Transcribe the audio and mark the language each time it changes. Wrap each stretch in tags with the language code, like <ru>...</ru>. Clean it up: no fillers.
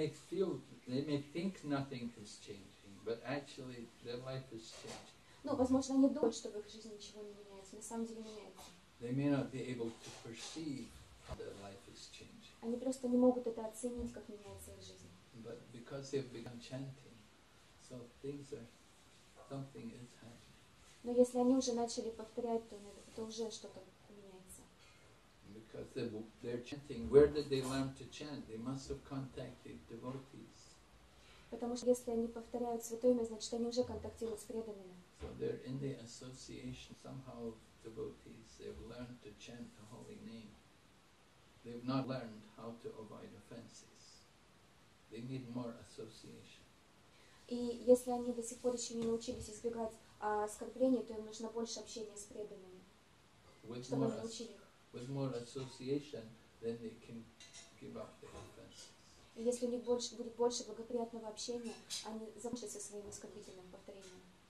<en>They may think nothing is changing, but actually their life is changing.</en> <ru>Ну, возможно, они думают, что в их жизни ничего не меняется, на самом деле меняется.</ru> <en>They may not be able to perceive how their life is changing.</en> <ru>Они просто не могут это оценить, как меняется их жизнь.</ru> <en>But because they've begun chanting, so things are, something is happening.</en> <ru>Но если они уже начали повторять, то уже что-то меняется.</ru> <en>Because they're chanting, where did they learn to chant? They must have contacted devotees.</en> <ru>Потому что если они повторяют святое имя, значит они уже контактируют с преданными.</ru> <en>So they're in the association somehow of devotees. They've learned to chant the holy name. They've not learned how to avoid offenses. They need more association.</en> <ru>И если они до сих пор еще не научились избегать оскорбления, то им нужно больше общения с преданными.</ru> <en>With more association, then they can give up their offenses.</en> <ru>И если у них будет больше благоприятного общения, они закончат со своим оскорбительным повторением.</ru>